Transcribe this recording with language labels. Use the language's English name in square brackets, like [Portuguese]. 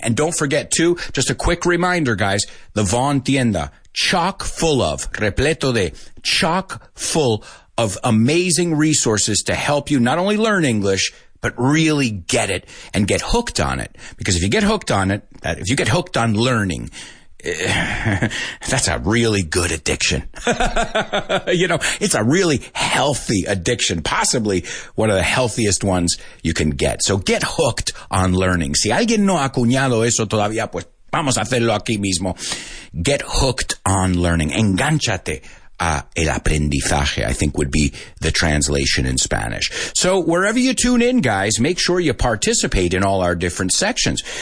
[English] And don't forget, too, just a quick reminder, guys, the Vaughn Tienda, chock full of, [Spanish] repleto de, [English] chock full of amazing resources to help you not only learn English, but really get it and get hooked on it. Because if you get hooked on it, if you get hooked on learning, That's a really good addiction. You know, it's a really healthy addiction, possibly one of the healthiest ones you can get. So get hooked on learning. [Spanish] Si alguien no ha acuñado eso todavía, pues vamos a hacerlo aquí mismo. [English] Get hooked on learning. [Spanish] Engánchate a el aprendizaje, [English] I think would be the translation in Spanish. So wherever you tune in, guys, make sure you participate in all our different sections.